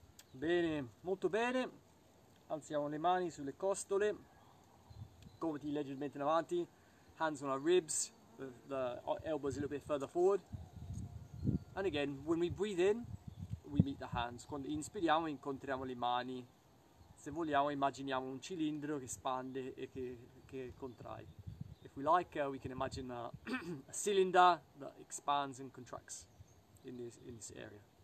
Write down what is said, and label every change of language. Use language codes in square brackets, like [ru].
[it] Bene, molto bene. Alziamo le mani sulle costole, gomiti leggermente in avanti, [en] hands on our ribs, the elbows a little bit further forward. And again, when we breathe in, we meet the hands. [it] Quando inspiriamo, incontriamo le mani. Se vogliamo, immaginiamo un cilindro che espande e che contrae. [en] If we like, we can imagine a cylinder that expands and contracts in this area.